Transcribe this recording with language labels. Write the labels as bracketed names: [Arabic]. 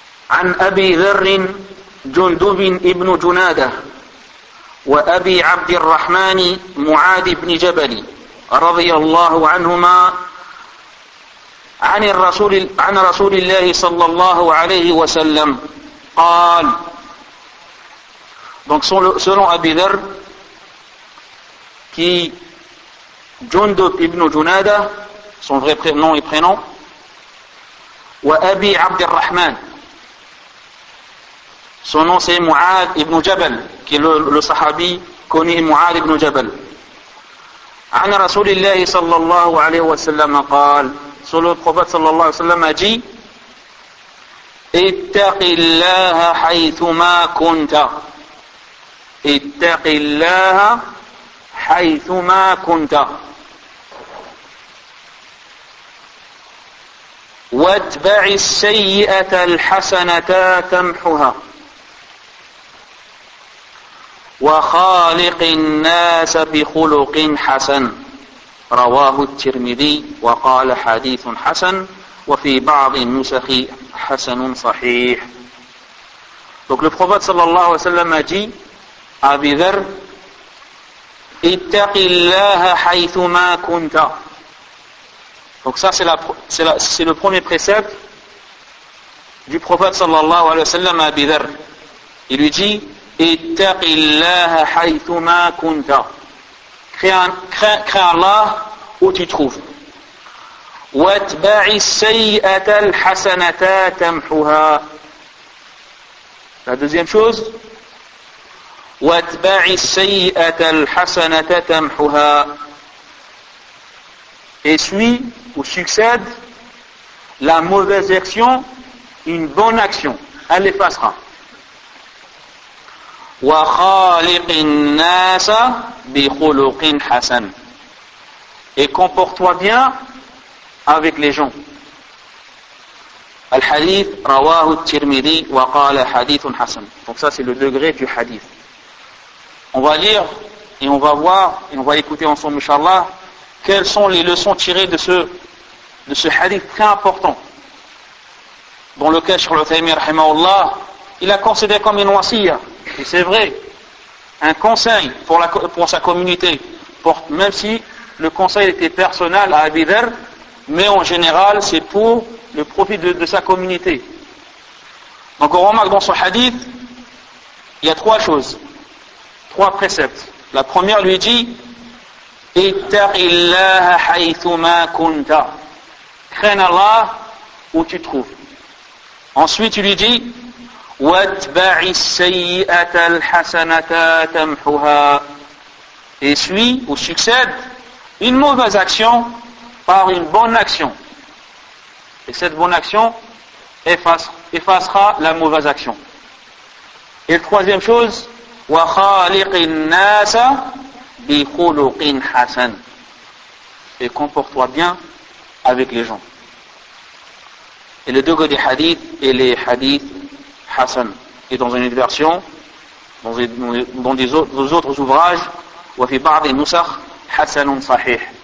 [Arabic] عن أبي ذر جندب ابن جنادة وأبي عبد الرحمن معاذ بن جبل رضي الله عنهما عن رسول الله صلى الله عليه وسلم قال. [French] Donc selon Abi Dharr, qui Jundub ibn Junada, son vrai nom et prénom, [Arabic] وأبي عبد الرحمن, [French] son nom c'est Mu'ad ibn Jabal, qui est le sahabi connu Mu'ad ibn Jabal. [Arabic] An Rasulillahi sallallahu alayhi wa sallam a qal, [French] selon le prophète [Arabic] sallallahu alayhi wa sallam [French] a dit, [Arabic] ittaqillaha haythuma kunta. Ittaqillaha haythuma kunta. Wattba'i sayyata alhasanata tamhuha. وخالق الناس بخلق حسن رواه الترمذي وقال حديث حسن وفي بعض النسخ حسن صحيح. [French] Donc le prophète sallallahu alayhi wa sallam a dit à Abi Dharr, [Arabic] اتق الله حيث ما كنت. [French] Donc ça c'est le premier précepte du prophète sallallahu alayhi wa sallam à Abi Dharr. Il lui dit, [Arabic] اتَّقِ اللَّهَ حَيْثُمَا كُنْتَ. [French] Crains Allah où tu trouves. [Arabic] وَاتْبَعِ السَّيِّئَةَ الْحَسَنَةَ تَمْحُهَا. [French] La deuxième chose. [Arabic] وَاتْبَعِ السَّيِّئَةَ الْحَسَنَةَ تَمْحُهَا. [French] Essuie ou succède la mauvaise action, une bonne action, elle effacera. [Arabic] وخالق الناس بخلق حسن. [French] Et comporte-toi bien avec les gens. [Arabic] الحديث رواه الترمذي وقال حديث حسن. [French] Donc ça c'est le degré du hadith. On va lire et on va voir et on va écouter ensemble inchallah quelles sont les leçons tirées de ce hadith très important dans lequel Cheikh Al-Uthaymin rahimahullah il a considéré comme une wasiya. Et c'est vrai, un conseil pour sa communauté, même si le conseil était personnel à Abi Dharr, mais en général c'est pour le profit de sa communauté. Donc on remarque dans son hadith, il y a trois choses, trois préceptes. La première lui dit, [Arabic] ittaqillaha haythuma kunta, [French] crains Allah où tu te trouves. Ensuite il lui dit, [Arabic] وَاتْبَعِ السَّيِّئَةَ الْحَسَنَةَ تَمْحُهَا. [French] Essuie ou succède une mauvaise action par une bonne action. Et cette bonne action effacera la mauvaise action. Et troisième chose, [Arabic] وَخَالِقِ النَّاسَ بِخُلُقٍ حَسَنٍ. [French] Et comporte-toi bien avec les gens. Et le degré des hadiths et les hadiths Hassan, et dans une version, dans d'autres ouvrages, [Arabic] wa fi ba'd an-nusakh hasanun sahih.